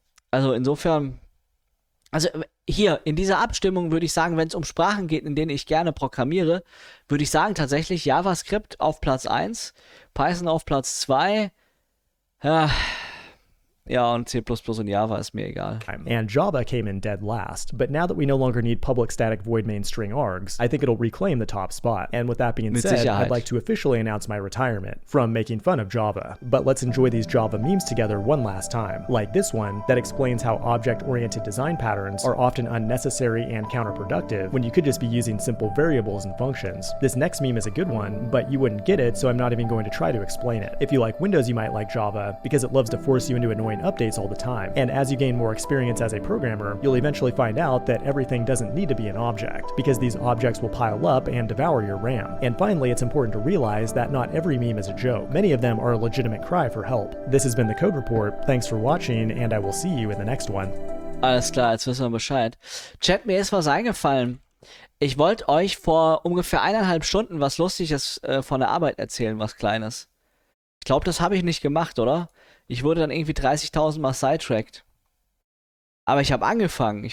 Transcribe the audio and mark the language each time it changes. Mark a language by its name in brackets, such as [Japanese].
[German] Also insofern, also hier in dieser Abstimmung würde ich sagen, wenn es um Sprachen geht, in denen ich gerne programmiere, würde ich sagen tatsächlich JavaScript auf Platz 1, Python auf Platz 2, ja, und C++ und Java ist mir egal. [English] And Java came in dead last, but now that we no longer need public static void main string args, I think it'll reclaim the top spot. And with that being said, I'd like to officially announce my retirement from making fun of Java. But let's enjoy these Java memes together one last time. Like this one, that explains how object-oriented design patterns are often unnecessary and counterproductive when you could just be using simple variables and functions. This next meme is a good one, but you wouldn't get it, so I'm not even going to try to explain it. If you like Windows, you might like Java, because it loves to force you into annoying generate updates all the time. And as you gain more experience as a programmer, you'll eventually find out that everything doesn't need to be an object, because these objects will pile up and devour your RAM. And finally, it's important to realize that not every meme is a joke. Many of them are a legitimate cry for help. This has been the Code Report. Thanks for watching, and I will see you in the next one. [German] Alles klar, jetzt wissen wir Bescheid. Chat, mir ist was eingefallen. Ich wollte euch vor ungefähr 1,5 Stunden was Lustiges von der Arbeit erzählen, was Kleines. Ich glaube, das habe ich nicht gemacht, oder? Ich wurde dann irgendwie 30.000 Mal sidetracked. Aber ich habe angefangen.